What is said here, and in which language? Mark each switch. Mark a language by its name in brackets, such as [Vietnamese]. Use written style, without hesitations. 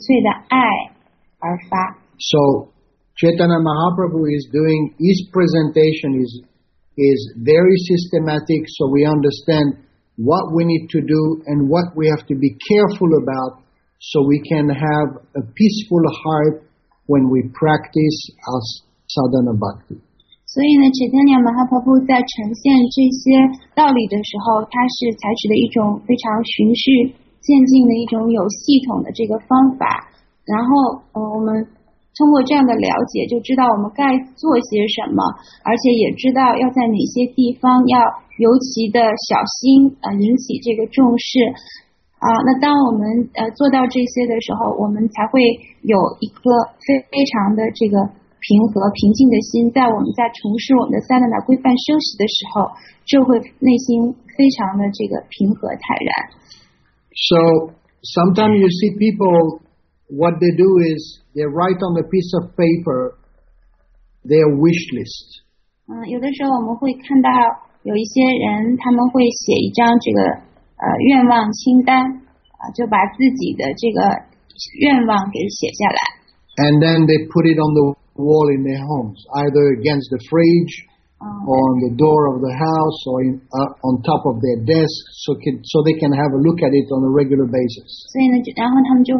[Chinese] 所以说在初期的时候呢，这个泪水是因为自我挣扎，然后到了这个解脱的这个层面的时候，这个泪水呢是由于对主的纯粹的爱而发。 So [English] Chaitanya Mahaprabhu is doing his presentation is very systematic, so we understand what we need to do and what we have to be careful about so we can have a peaceful heart when we practice our sadhana bhakti. [Chinese] 所以呢, Chaitanya Mahaprabhu 在呈现这些道理的时候，他是采取了一种非常循序渐进的一种有系统的这个方法，然后我们 通过这样的了解，就知道我们该做些什么，而且也知道要在哪些地方要尤其的小心，引起这个重视。那当我们做到这些的时候，我们才会有一个非常的这个平和平静的心，在我们在从事我们的三大那规范休息的时候，就会内心非常的这个平和坦然。 So [English] sometimes you see people. What they do is they write on a piece of paper their wish list. [Chinese] 有的时候我们会看到有一些人，他们会写一张这个愿望清单，就把自己的这个愿望给写下来。 And [English] then they put it on the wall in their homes, either against the fridge, or on the door of the house, or on top of their desk, so they can have a look at it on a regular basis.